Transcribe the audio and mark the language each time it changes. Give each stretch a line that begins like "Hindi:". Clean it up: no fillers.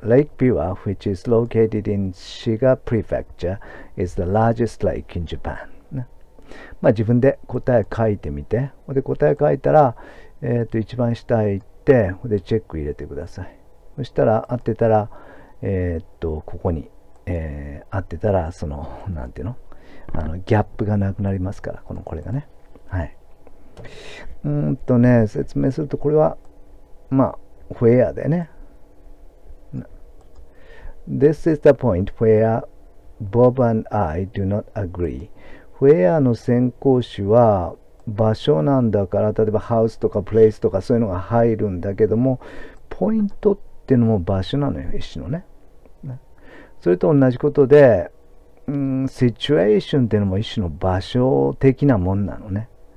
English: Lake Biwa, which is located in Shiga Prefecture, is the largest lake in Japan。
Japanese: ね、まあ自分で答え書いてみて。で、答え書いたら、一番下行って、で、チェック入れてください。そしたら、合ってたら、ここに、合ってたら、その、なんていうの、ギャップがなくなりますから、これがね。はい。説明すると、これは、まあ、フェアでね。
English: This is the point where Bob and I do not agree.
Japanese: Where の先行詞は場所なんだから、例えばハウスとかプレイスとかそういうのが入るんだけども、ポイントっていうのも場所なのよ、一種のね。それと同じことで、situation っていうのも一種の場所的なもんなのね。